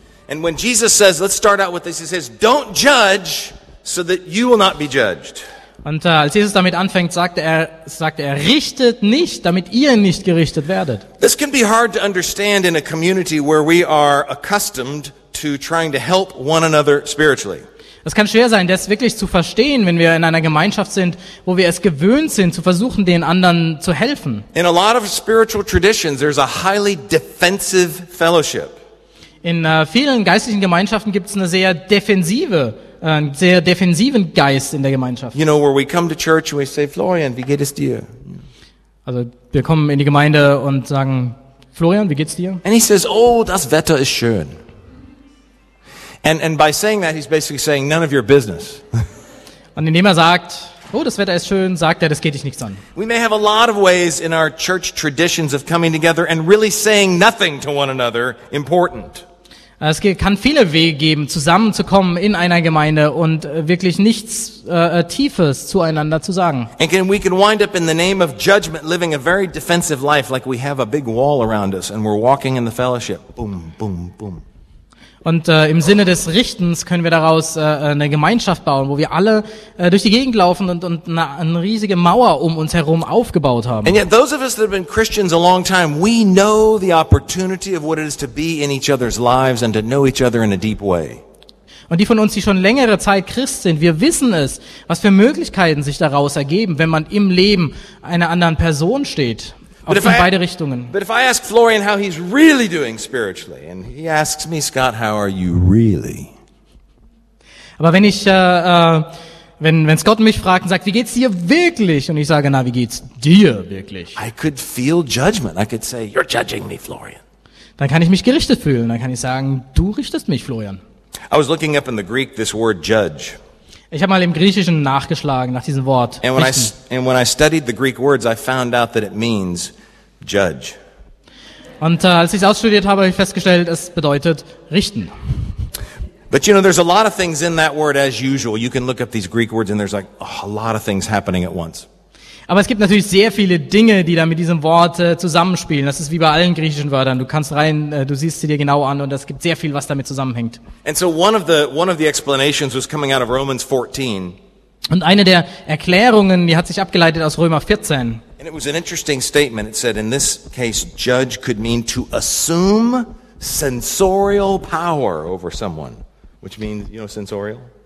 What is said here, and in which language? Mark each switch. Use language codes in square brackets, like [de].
[en] And when Jesus says, let's start out with this, he says, don't judge so that you will not be judged. [de] Und als Jesus damit anfängt, sagte er, richtet nicht, damit ihr nicht gerichtet werdet. [en] This can be hard to understand in a community where we are accustomed to trying to help one another spiritually. [de] Es kann schwer sein, das wirklich zu verstehen, wenn wir in einer Gemeinschaft sind, wo wir es gewöhnt sind, zu versuchen, den anderen zu helfen. [en] In a lot of spiritual traditions, there's a highly defensive fellowship. [de] In vielen geistlichen Gemeinschaften gibt es eine sehr defensive, einen sehr defensiven Geist in der Gemeinschaft. [en] You know, where we come to church and we say, Florian, [de] wie geht es dir? Also wir kommen in die Gemeinde und sagen, Florian, wie geht's dir? [en] And he says, oh, [de] das Wetter ist schön. [en] And by saying that, he's basically saying none of your business. [de] Und indem er sagt, oh, das Wetter ist schön, sagt er, das geht dich nichts an. [en] We may have a lot of ways in our church traditions of coming together and really saying nothing to one another important. [de] Es kann viele Wege geben, zusammenzukommen in einer Gemeinde und wirklich nichts Tiefes zueinander zu sagen. [en] And we can wind up in the name of judgment living a very defensive life, like we have a big wall around us and we're walking in the fellowship. Boom, boom, boom. [de] Und im Sinne des Richtens können wir daraus eine Gemeinschaft bauen, wo wir alle durch die Gegend laufen und eine riesige Mauer um uns herum aufgebaut haben. [en] And yet those of us that have been Christians a long time, we know the opportunity of what it is to be in each other's lives and to know each other in a deep way. [de] Und die von uns, die schon längere Zeit Christ sind, wir wissen es, was für Möglichkeiten sich daraus ergeben, wenn man im Leben einer anderen Person steht. Auch in beide Richtungen. [en] But if I ask Florian how he's really doing spiritually, and he asks me, Scott, how are you really? [de] Aber wenn ich, wenn Scott mich fragt und sagt, wie geht's dir wirklich, und ich sage, na, wie geht's dir wirklich? [en] I could feel judgment. I could say, you're judging me, Florian. [de] Dann kann ich mich gerichtet fühlen. Dann kann ich sagen, du richtest mich, Florian. [en] I was looking up in the Greek this word judge. [de] Ich habe mal im Griechischen nachgeschlagen nach diesem Wort. [en] And when I studied the Greek words, I found out that it means judge. [de] Und als ich es ausstudiert habe, habe ich festgestellt, es bedeutet richten. [en] But you know, there's a lot of things in that word as usual. You can look up these Greek words and there's like a lot of things happening at once. [de] Aber es gibt natürlich sehr viele Dinge, die da mit diesem Wort zusammenspielen. Das ist wie bei allen griechischen Wörtern. Du kannst rein, du siehst sie dir genau an und es gibt sehr viel, was damit zusammenhängt. [en] And so one of the explanations was coming out of Romans 14. [de] Und eine der Erklärungen, die hat sich abgeleitet aus Römer 14. [en] And it was an interesting statement. It said in this case judge could mean to assume sensorial power over someone, which means, you know, sensorial.